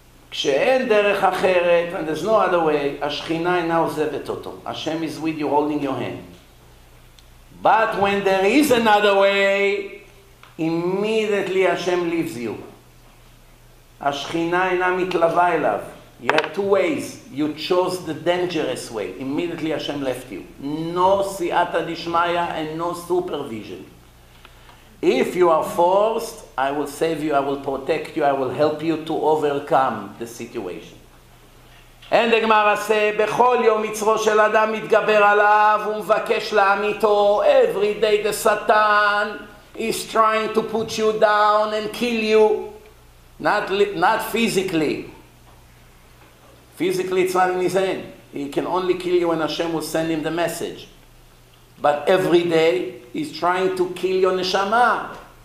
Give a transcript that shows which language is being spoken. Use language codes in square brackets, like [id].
[he] כשאין דרך אחרת, [en] and there's no other way, [he] השכינה אינה עוזבת אותו. [en] Hashem is with you holding your hand. But when there is another way, immediately Hashem leaves you. [he] השכינה אינה מתלווה אליו. [en] You have two ways. You chose the dangerous way. Immediately Hashem left you. No siyata dishmaya and no supervision. If you are forced, I will save you, I will protect you, I will help you to overcome the situation. And the Gemara say, [he] בכל יום מצרו של אדם מתגבר עליו ומבקש להמיתו. [en] Every day the Satan is trying to put you down and kill you. Not physically. Physically it's not in his hand. He can only kill you when Hashem will send him the message. But every day he's trying to kill your neshama.